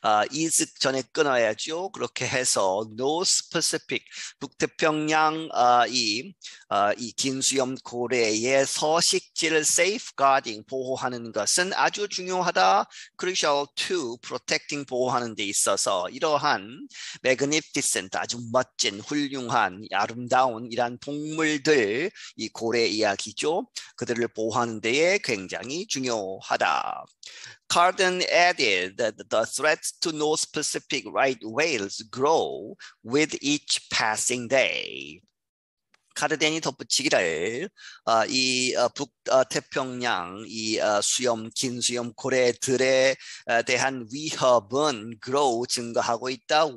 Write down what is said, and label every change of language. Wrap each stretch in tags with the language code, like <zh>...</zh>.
<ko>Is 전에 끊어야죠. 그렇게 해서 North Pacific, 북태평양 이 긴수염고래의 서식지를 safeguarding, 보호하는 것은 아주 중요하다.</ko> <en>Crucial to protecting,</en> <ko>보호하는 데 있어서 이러한 magnificent, 아주 멋진, 훌륭한, 아름다운 이러한 동물들, 이 고래 이야기죠. 그들을 보호하는 데에 굉장히 중요하다.</ko> <en>Cardin added that the threats to North Pacific right whales grow with each passing day.</en> <ko>카르덴이 덧붙이기를 북태평양 긴수염고래들에 대한 위협은 grow 증가하고 있다.</ko>